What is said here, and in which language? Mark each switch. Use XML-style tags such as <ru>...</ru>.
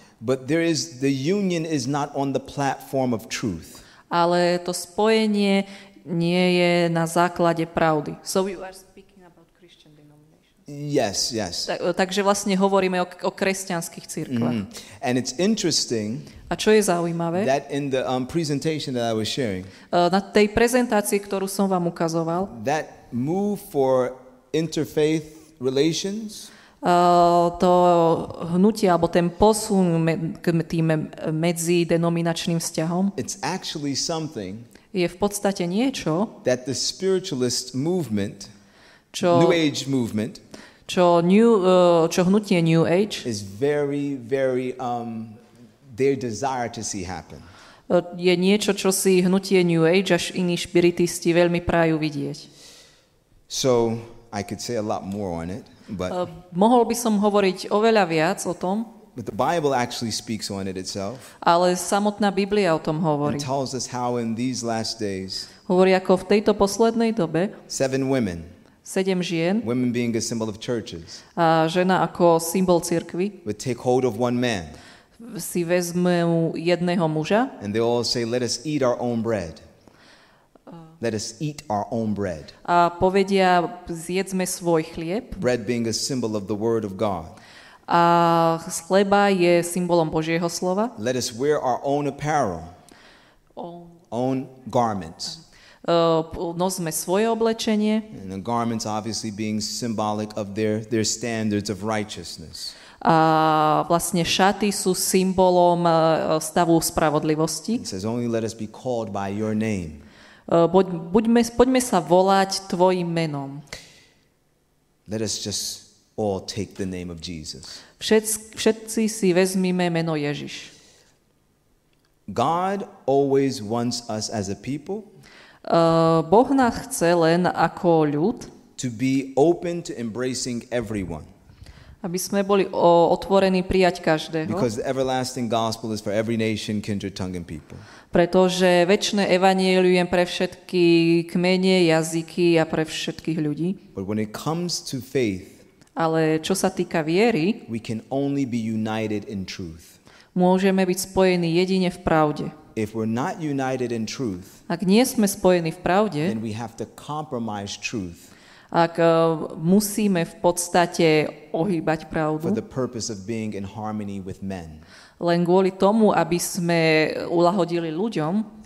<en>but there is the union is not on the platform of truth.</en> <sk>ale to spojenie nie je na základe pravdy.</sk> <en>So you are speaking about Christian denominations. Yes, yes.</en> <sk>Takže vlastne hovoríme o kresťanských cirkvách. Mm.</sk> <en>And it's interesting.</en> <sk>A čo je zaujímavé?</sk> <en>That in the presentation that I was sharing.</en> <sk>Na tej prezentácii, ktorú som vám ukazoval.</sk> <en>That move for interfaith relations.</en> <sk>To hnutie alebo ten posun k tým medzi denominačným vzťahom.</sk> <en>It's actually something.</en> <sk>Je v podstate niečo,</sk> <en>that the spiritualist movement,</en> <sk>čo,</sk> <en>New Age movement,</en> <sk>čo hnutie New Age,</sk> <en>is very, very, their desire to see happen.</en> <sk>Je niečo, čo si hnutie New Age až iní spiritisti veľmi prajú vidieť.</sk> <en>So, I could say a lot more on it, but</en> <sk>mohol by som hovoriť oveľa viac o tom.</sk> <en>But the Bible actually speaks on it itself.</en> <sk>Ale samotná Biblia o tom hovorí.</sk> <en>It tells us how in these last days.</en> <sk>Hovorí ako v tejto poslednej dobe.</sk> <en>Seven women.</en> <sk>Sedem žien.</sk> <en>Women being a symbol of churches.</en> <sk>A žena ako symbol cirkvi.</sk> <en>Would take hold of one man.</en> <sk>Si vezmú jedného muža.</sk> <en>And they all say, "Let us eat our own bread." Let us eat our own bread.</en> <sk>A povedia, zjedzme svoj chlieb.</sk> <en>Bread being a symbol of the word of God.</en> <sk>A chleba je symbolom Božieho slova.</sk> <en>Let us wear our own apparel. Own garments.</en> <sk>Nosme svoje oblečenie.</sk> <en>And the garments obviously being symbolic of their standards of righteousness.</en> <sk>A vlastne šaty sú symbolom stavu spravodlivosti.</sk> <en>It says only let us be called by your name.</en> <sk>Poďme sa volať tvojim menom.</sk> <en>Let us just all take the name of Jesus.</en> <sk>Všetci si vezmime meno Ježiš.</sk> <en>God always wants us as a people.</en> <sk>Boh nás chce len ako ľud.</sk> <en>To be open to embracing everyone.</en> <sk>Aby sme boli otvorení prijať každého.</sk> <en>Because the everlasting gospel is for every nation, kindred, tongue and people.</en> <sk>Pretože večné evanjelium pre všetky kmene, jazyky a pre všetkých ľudí.</sk> <en>But when it comes to faith,</en> <sk>ale čo sa týka viery,</sk> <en>we can only be united in truth.</en> <sk>Môžeme byť spojení jedine v pravde.</sk> <en>If we're not united in truth,</en> <sk>ak nie sme spojení v pravde,</sk> <en>then we have to compromise truth.</en> <sk>Ak musíme v podstate ohýbať pravdu,</sk> <en>for the purpose of being in harmony with men.</en> <sk>Len kvôli tomu, aby sme uľahodili ľuďom,</sk>